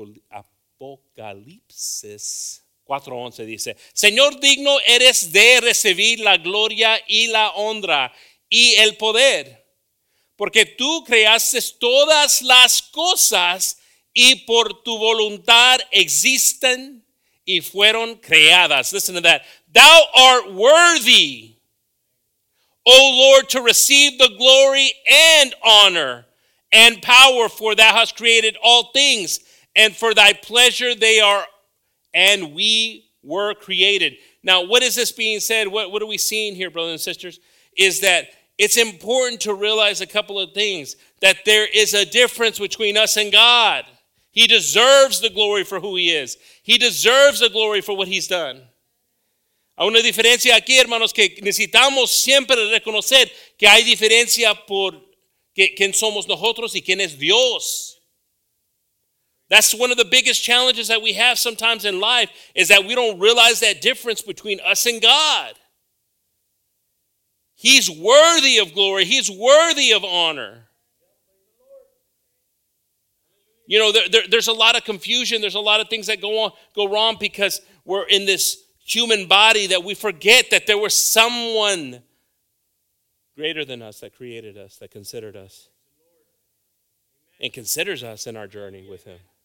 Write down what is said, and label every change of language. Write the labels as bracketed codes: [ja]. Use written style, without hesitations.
[es] Apocalipsis 4:11 dice: Señor, digno eres de recibir la gloria y la honra y el poder, porque tú creaste todas las cosas y por tu voluntad existen y fueron creadas. [en] Listen to that. Thou art worthy, O Lord, to receive the glory and honor and power, for thou hast created all things. And for thy pleasure they are, and we were created. Now, what is this being said? What are we seeing here, brothers and sisters? Is that it's important to realize a couple of things. That there is a difference between us and God. He deserves the glory for who he is. He deserves the glory for what he's done. [es] Hay una diferencia aquí, hermanos, que necesitamos siempre reconocer que hay diferencia por quién somos nosotros y quién es Dios. [en] That's one of the biggest challenges that we have sometimes in life, is that we don't realize that difference between us and God. He's worthy of glory. He's worthy of honor. You know, there's a lot of confusion. There's a lot of things that go wrong because we're in this human body that we forget that there was someone greater than us that created us, that considered us, and considers us in our journey with him.